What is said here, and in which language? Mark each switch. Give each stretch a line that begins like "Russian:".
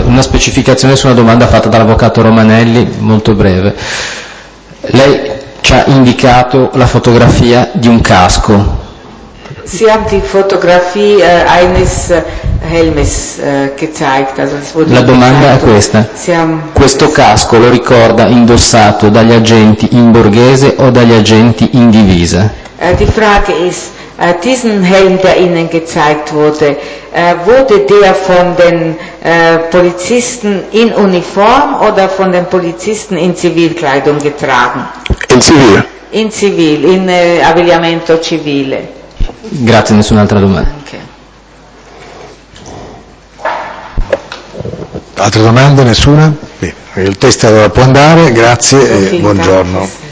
Italian: Una specificazione su una domanda fatta dall'avvocato Romanelli, molto breve. Lei ci ha indicato la fotografia di un casco.
German: Sie haben die Fotografie eines Helmes gezeigt.
Italian: La domanda è questa. Questo casco lo ricorda indossato dagli agenti in borghese o dagli agenti in divisa?
German: Die Frage ist, diesen Helm, der Ihnen gezeigt wurde, wurde der von den Polizisten in Uniform oder von den Polizisten in Zivilkleidung getragen? In Zivil. In Zivil,
Italian: in Abbigliamento Civile. Grazie, nessun'altra domanda. Okay. Altre domande? Nessuna? Sì. Il test allora può andare, grazie e buongiorno.